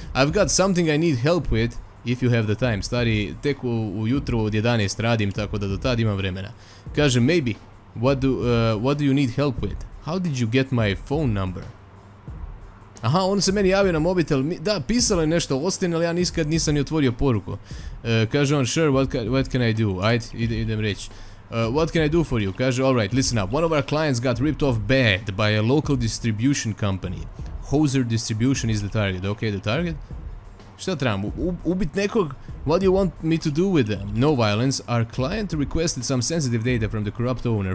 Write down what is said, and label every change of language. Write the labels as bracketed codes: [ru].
[en] I've got something I need help with, if you have the time. [bs] Stari, tek ujutru od 11 radim, tako da do tad imam vremena. Kaže, [en] maybe. What do you need help with? How did you get my phone number? [bs] Aha, on se meni javio na mobitel. Da, pisalo je nešto Austin, ali ja nikad nisam ni otvorio poruku. Kaže on, [en] sure, what can I do? [bs] Ajde, idem reći. [en] What can I do for you? [bs] Kaže, [en] alright, listen up. One of our clients got ripped off bad by a local distribution company. Hoser Distribution is the target. Ok, the target? [bs] Šta trebam, ubit nekog? [en] What do you want me to do with them? No violence. Our client requested some sensitive data from the corrupt owner.